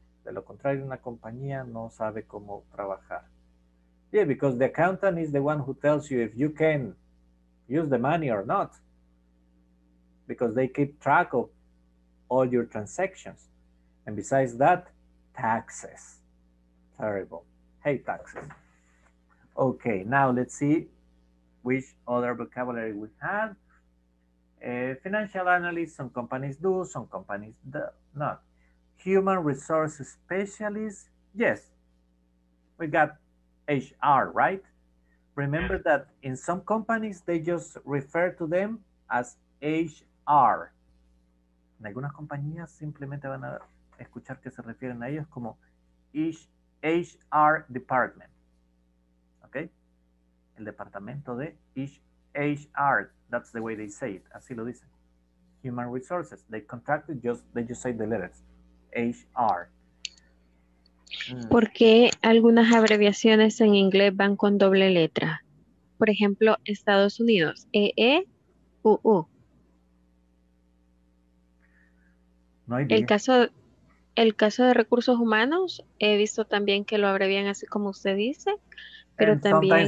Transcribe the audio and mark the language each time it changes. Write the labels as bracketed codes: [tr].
[es] De lo contrario, una compañía no sabe cómo trabajar. [en] Yeah, because the accountant is the one who tells you if you can use the money or not. Because they keep track of all your transactions. And besides that, taxes. Terrible. Hate taxes. Okay, now let's see which other vocabulary we have. Financial analysts, some companies do, some companies do not. Human resource specialists, yes. We got HR, right? Remember that in some companies, they just refer to them as HR. [es] En algunas compañías simplemente van a escuchar que se refieren a ellos como HR department. Okay? El departamento de HR, [en] that's the way they say it, [es] así lo dicen. [en] Human resources, they contracted, just they just say the letters HR. [es] ¿Por qué algunas abreviaciones en inglés van con doble letra? Por ejemplo, Estados Unidos, EE, UU. No hay el caso de recursos humanos, he visto también que lo abrevian así como usted dice, pero and también